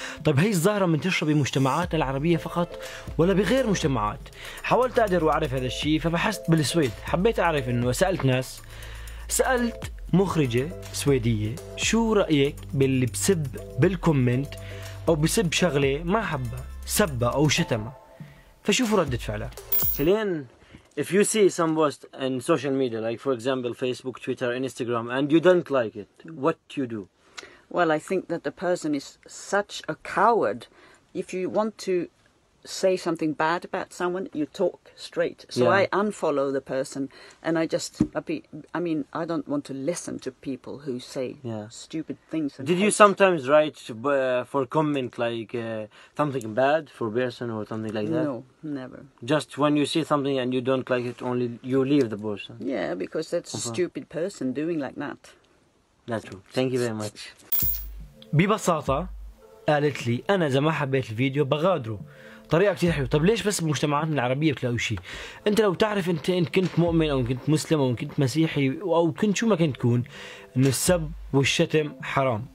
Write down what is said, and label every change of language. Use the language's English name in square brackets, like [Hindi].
[Arabic] طيب هي الظاهرة منتشرة بمجتمعاتنا العربية فقط ولا بغير مجتمعات؟ حاولت أقدر وأعرف هذا الشيء، فبحثت بالسويد، حبيت أعرف إنه سألت ناس، سألت مخرجة سويدية شو رأيك باللي بسب بالكومنت أو بسب شغلة ما حبها، سبها أو شتمها، فشوفوا ردة فعلها. [English] سيلين، if you see some post in social media, like for example Facebook, Twitter, Instagram, and you don't like it, what you do? Well, I think that the person is such a coward. If you want to say something bad about someone, you talk straight. So yeah. I unfollow the person, and I just, I mean, I don't want to listen to people who say stupid things. Did you sometimes write for comment like something bad for person or something like that? No, never. Just when you see something and you don't like it, only you leave the person. Yeah, because that's a stupid person doing like that. That's true. Thank you very much. [Arabic] ببساطة قالت لي أنا إذا ما حبيت الفيديو بغادره. طريقة كتير حلوة. طب ليش بس بمجتمعاتنا العربية بتلاقوا شيء؟ انت لو تعرف انت ان كنت مؤمن او كنت مسلم او كنت مسيحي او كنت شو ما كنت تكون، ان السب والشتم حرام.